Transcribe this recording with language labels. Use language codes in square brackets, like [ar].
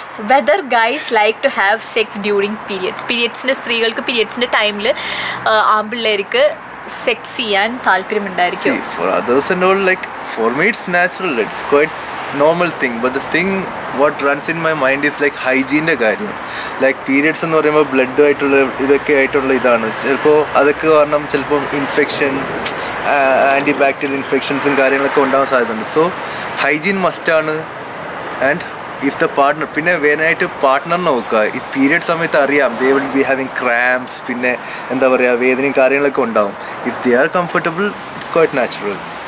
[en] whether guys like to have sex during periods, [ml] പീരിയഡ്സിന്റെ സ്ത്രീകൾക്ക് പീരിയഡ്സിന്റെ ടൈമിൽ ആമ്പിള്ളേർക്ക് sex ചെയ്യാൻ താല്പര്യം ഉണ്ടായിരിക്കും. [en] See, for others and all, like, for me it's natural, it's quite normal thing, but the thing what runs in my mind is like hygiene കാര്യം, like periods [ml] എന്ന് പറയുമ്പോൾ blood ആയിട്ടുള്ള ഇതൊക്കെ ആയിട്ടുള്ള ഇതാണ്, ചിലപ്പോൾ അതൊക്കെ കാരണം ചിലപ്പോൾ ഇൻഫെക്ഷൻ ആൻറ്റി ബാക്ടീരിയൽ ഇൻഫെക്ഷൻസും കാര്യങ്ങളൊക്കെ ഉണ്ടാകാൻ സാധ്യത ഉണ്ട്. സോ ഹൈജീൻ മസ്റ്റ് ആണ്. [en] and if the partner, [ml] പിന്നെ വേനായിട്ട് പാർട്ട്ണർ നോക്കുക, ഈ പീരിയഡ് സമയത്ത് അറിയാം [en] they will be having cramps, [ml] പിന്നെ എന്താ പറയുക വേദനയും കാര്യങ്ങളൊക്കെ ഉണ്ടാവും. [en] If they are comfortable it's quite natural.